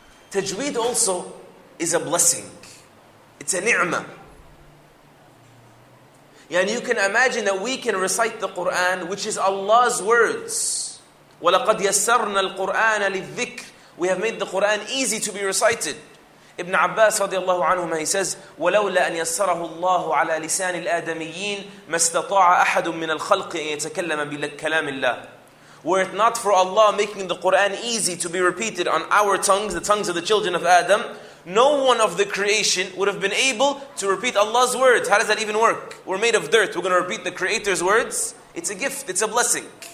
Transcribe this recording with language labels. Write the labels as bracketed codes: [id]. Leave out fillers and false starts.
[en] Tajweed also is a blessing. It's a ni'mah. Yani you can imagine that we can recite the Qur'an, which is Allah's words. [ar] وَلَقَدْ يَسَّرْنَا الْقُرْآنَ لِلذِّكْرِ. [en] We have made the Qur'an easy to be recited. Ibn Abbas radiallahu anhuma, he says, [ar] وَلَوْلَا أَنْ يَسَّرَهُ اللَّهُ عَلَىٰ لِسَانِ الْآدَمِيِّينَ مَا اسْتَطَاعَ أَحَدٌ مِّنَ الْخَلْقِ أَنْ يَتَكَلَّمَ بِكَلَامِ اللَّهِ. [en] Were it not for Allah making the Qur'an easy to be repeated on our tongues, the tongues of the children of Adam, no one of the creation would have been able to repeat Allah's words. How does that even work? We're made of dirt. We're going to repeat the Creator's words? It's a gift. It's a blessing.